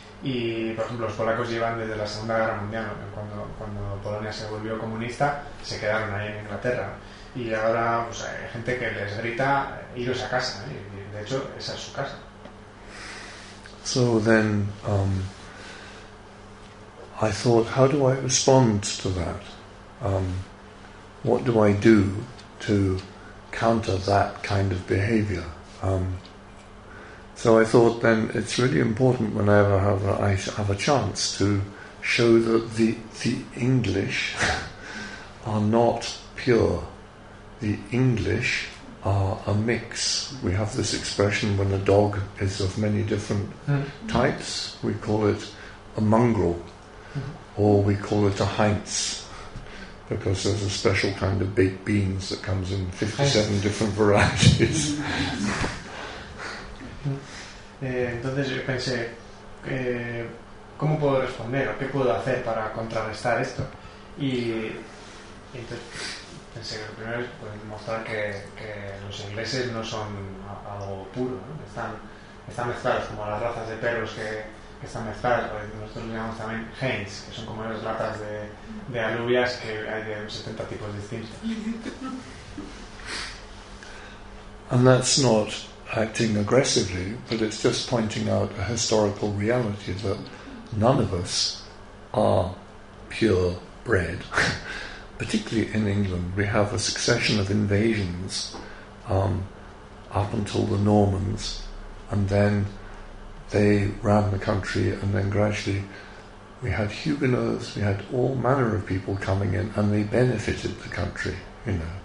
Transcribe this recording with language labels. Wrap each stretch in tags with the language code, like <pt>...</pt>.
<es>Y, por ejemplo, los polacos llevan desde la Segunda Guerra Mundial, ¿no? cuando Polonia se volvió comunista, se quedaron ahí en Inglaterra, ¿no? Y ahora pues, hay gente que les grita iros a casa, ¿no? Y de hecho, esa es su casa.</es> <en>So then I thought, how do I respond to that? What do I do to counter that kind of behavior? So I thought then it's really important whenever I have a chance to show that the English are not pure. The English are a mix. We have this expression when a dog is of many different types. We call it a mongrel, or we call it a Heinz, because there's a special kind of baked beans that comes in 57 different varieties.</en> <es>Entonces yo pensé, ¿cómo puedo responder o qué puedo hacer para contrarrestar esto? Y entonces pensé que lo primero es pues, mostrar que los ingleses no son algo puro, ¿no? Están mezclados, como las razas de perros que están mezcladas, pues, nosotros le llamamos también Heinz, que son como las latas de alubias que hay de 70 tipos distintos.</es> <en>And that's not acting aggressively, but it's just pointing out a historical reality that none of us are pure bred. Particularly in England, we have a succession of invasions up until the Normans, and then they ran the country, and then gradually we had Huguenots, we had all manner of people coming in, and they benefited the country, you know.</en>